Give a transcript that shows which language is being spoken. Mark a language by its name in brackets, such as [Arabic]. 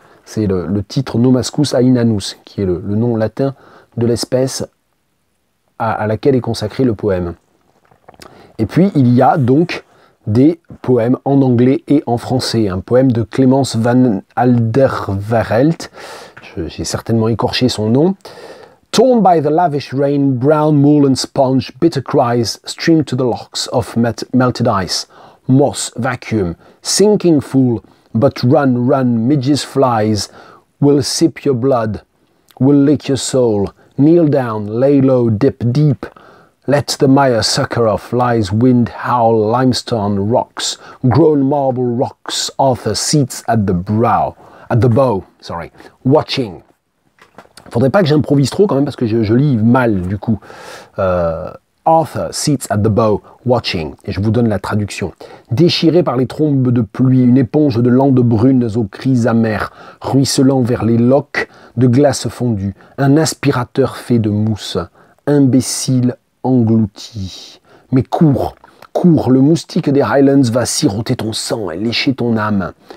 [French] C'est le titre Nomascus Ainanus, qui est le nom latin de l'espèce à laquelle est consacré le poème. Et puis, il y a donc des poèmes en anglais et en français. Un poème de Clémence van Alderweireld, j'ai certainement écorché son nom. [English] « Torn by the lavish rain, brown mool and sponge, bitter cries stream to the locks of melted ice, moss, vacuum, sinking fool, but run, run, midges flies, will sip your blood, will lick your soul. » Kneel down, lay low, dip deep. Let the mire sucker of lies, wind howl, limestone rocks, grown marble rocks. Arthur seats at the brow, at the bow. Sorry, watching. [French] Faudrait pas que j'improvise trop quand même parce que je lis mal du coup. [English] Arthur seats at the bow, watching. [French] Et je vous donne la traduction. Déchiré par les trombes de pluie, une éponge de landes brunes aux cris amers, ruisselant vers les loques de glace fondue, un aspirateur fait de mousse, imbécile englouti. Mais cours, cours, le moustique des Highlands va siroter ton sang et lécher ton âme.